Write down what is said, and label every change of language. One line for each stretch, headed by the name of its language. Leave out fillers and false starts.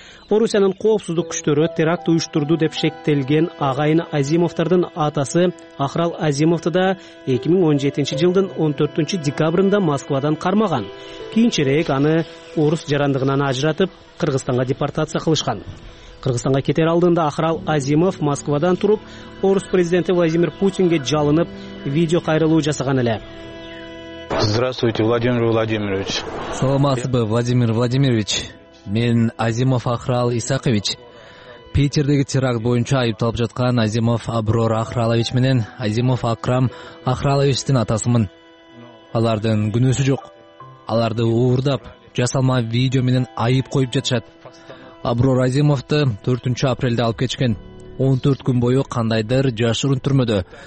Kyrgyz: Орусиянын коопсуздук күчтөрү теракт уюштурду деп шектелген агайын Азимовтордун атасы Ахрал Азимовту да 2017 жылдын 14 декабрында Москвадан кармаган. Кийинчерээк аны орус жарандыгынан ажыратып, Кыргызстанга депортация кылышкан. Кыргызстанга кетер алдында Ахрал Азимов Москвадан туруп, орус президенти Владимир Путинге жалынып, видео кайрылуу жасаган эле.
Russian: Здравствуйте, Владимир Владимирович.
Kyrgyz: Саламатсызбы, Владимир Владимирович. Мен Азимов Ахрал Исакович. Питердеги теракт боюнча айыпталып жаткан Азимов Аброр Ахралович менен Азимов Акрам Ахраловичтин атасымын. Алардын күнөөсү жок. Аларды уурдап, жасалма видео менен айып коюп жатышат. Аброр Азимовту 4 апрелде алып кечкен. 14 күн бою кандайдыр жашырын түрмөдө.